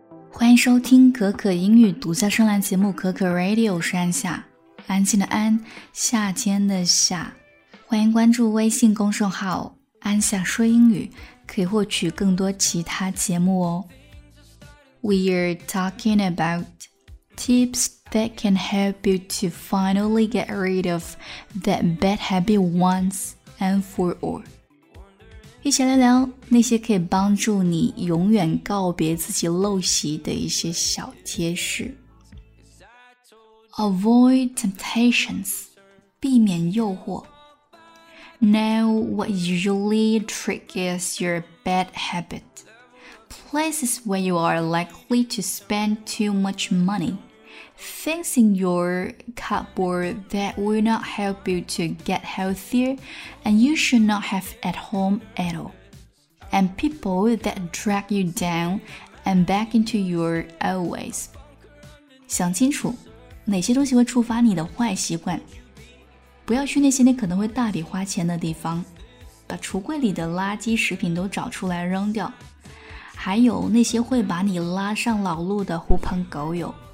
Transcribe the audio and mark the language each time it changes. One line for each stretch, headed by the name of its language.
Chinese: 欢迎收听可可英语独家声浪节目可可 Radio， 我是安夏，安静的安，夏天的夏。欢迎关注微信公众号安夏说英语，可以获取更多其他节目哦。
English: We are talking about tips that can help you to finally get rid of that bad habit once and for all.
Chinese: 一起来聊那些可以帮助你永远告别自己陋习的一些小贴士。
English: Avoid temptations,
Chinese: 避免诱惑。
English: Know what usually triggers your bad habit. Places where you are likely to spend too much money. Things in your cupboard that will not help you to get healthier and you should not have at home at all. And people that drag you down and back into your old ways.
Chinese: 想清楚哪些东西会触发你的坏习惯。不要去那些你可能会大笔花钱的地方。把橱柜里的垃圾食品都找出来扔掉。还有那些会把你拉上老路的狐朋狗友。